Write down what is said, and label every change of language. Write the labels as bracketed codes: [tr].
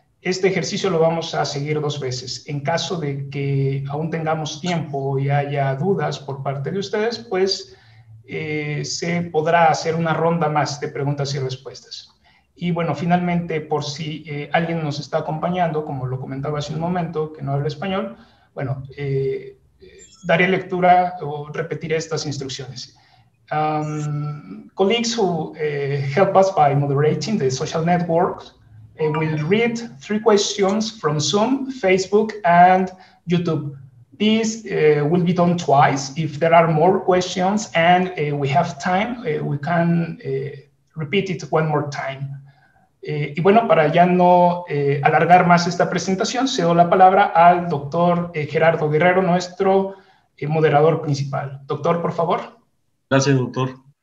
[es] Este ejercicio lo vamos a seguir dos veces. En caso de que aún tengamos tiempo y haya dudas por parte de ustedes, pues se podrá hacer una ronda más de preguntas y respuestas. Y bueno, finalmente, por si alguien nos está acompañando, como lo comentaba hace un momento, que no habla español, bueno, daré lectura o repetiré estas instrucciones. [en] Colleagues who help us by moderating the social network will read three questions from Zoom, Facebook, and YouTube. This will be done twice. If there are more questions and we have time, we can repeat it one more time. [es] Y bueno, para ya no alargar más esta presentación, cedo la palabra al doctor Gerardo Guerrero, nuestro moderador principal. Doctor, por favor. Gracias, doctor.